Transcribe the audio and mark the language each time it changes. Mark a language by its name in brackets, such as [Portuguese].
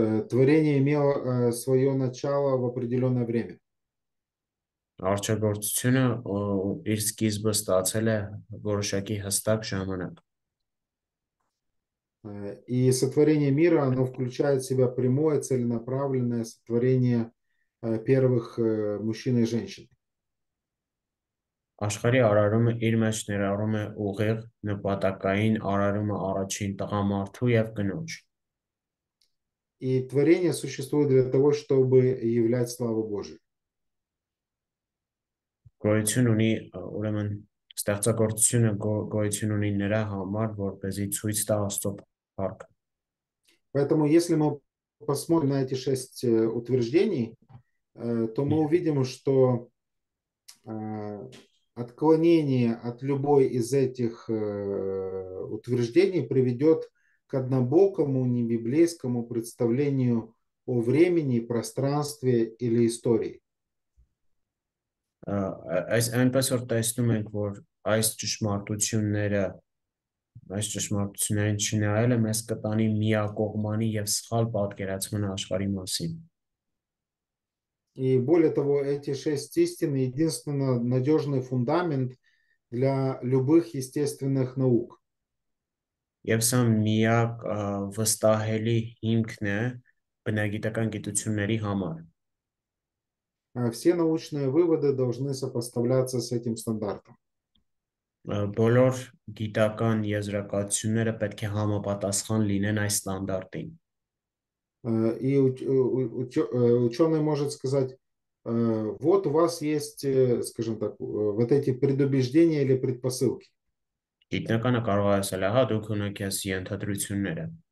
[Russian] Творение имело свое начало в определенное время. [Armenian] Արջագործությունը իր սկիզբը ստացել է որոշակի հստակ ժամանակ։ [Russian] И сотворение мира, оно включает в себя прямое, целенаправленное сотворение первых мужчин и женщин. [Armenian] Աշխարհի արարումը իր մեջ ներառում է ուղիղ նպատակային արարումը առաջին տղամարդու և կնոջ։ [Russian] И творение существует для того, чтобы являть славу Божию. [Armenian] Գոյություն ունի, ուրեմն, ստեղծագործությունը գոյություն ունի նրա համար, որպեսզի ցույց տա Աստծո փառքը։ [Russian] Поэтому, если мы посмотрим на эти шесть утверждений, то мы увидим, что отклонение от любой из этих утверждений приведет к однобокому, небиблейскому представлению о времени, пространстве или истории. [Armenian] Այնպես որ տեսնում ենք, որ այս ճշմարտությունները այս ճշմարտություններին չնայելը մեզ կտանի միակողմանի և սխալ պատկերացման աշխարհի մասին։ [Russian] И более того, эти шесть истин – единственно надежный фундамент для любых естественных наук. [Armenian] Եվ սա միակ վստահելի հիմքն է բնագիտական գիտությունների համար։ [Russian] Все научные выводы должны сопоставляться с этим стандартом. [Armenian] Բոլոր գիտական եզրակացությունները պետք է համապատասխան լինեն այս ստանդարտին։ [Russian] И ученый может сказать, вот у вас есть, скажем так, вот эти предубеждения или предпосылки. [Armenian] Գիտնականը կարող է ասել, հա, դուք ունեք այս ենթադրությունները։